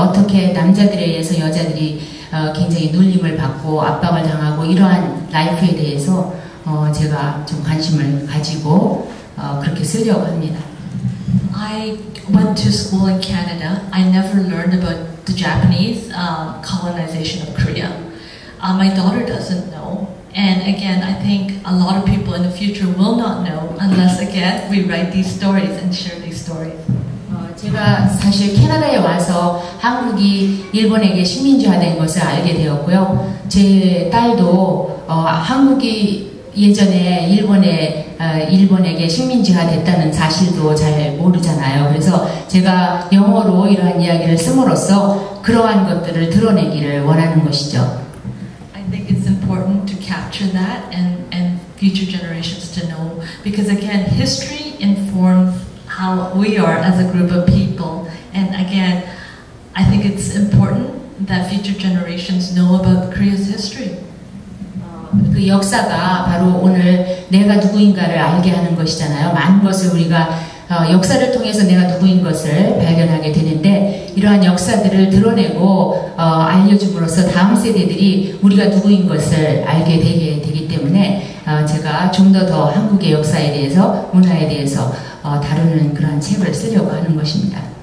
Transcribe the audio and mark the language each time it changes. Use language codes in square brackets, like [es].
[ko] 어떻게 남자들에 의해서 여자들이 굉장히 놀림을 받고 압박을 당하고 이러한 라이프에 대해서 제가 좀 관심을 가지고 그렇게 쓰려고 합니다. [en] I went to school in Canada. I never learned about the Japanese colonization of Korea. My daughter doesn't know. And again, I think a lot of people in the future will not know unless, again, we write these stories and share these stories. [ko] 제가 사실 캐나다에 와서 한국이 일본에게 식민지화된 것을 알게 되었고요. 제 딸도 한국이 예전에 일본에 일본에게 식민지화됐다는 사실도 잘 모르잖아요. 그래서 제가 영어로 이러한 이야기를 씀으로써 그러한 것들을 드러내기를 원하는 것이죠. [en] I think it's important to capture that and future generations to know because again, history informs how we are as a group of people. And again, I think it's important that future generations know about Korea's history. [ko] 그 역사가 바로 오늘 내가 누구인가를 알게 하는 것이잖아요. 많은 것을 우리가 역사를 통해서 내가 누구인 것을 발견하게 되는데 이러한 역사들을 드러내고 알려줌으로써 다음 세대들이 우리가 누구인 것을 알게 되기 때문에 제가 좀 더 한국의 역사에 대해서 문화에 대해서 다루는 그런 책을 쓰려고 하는 것입니다.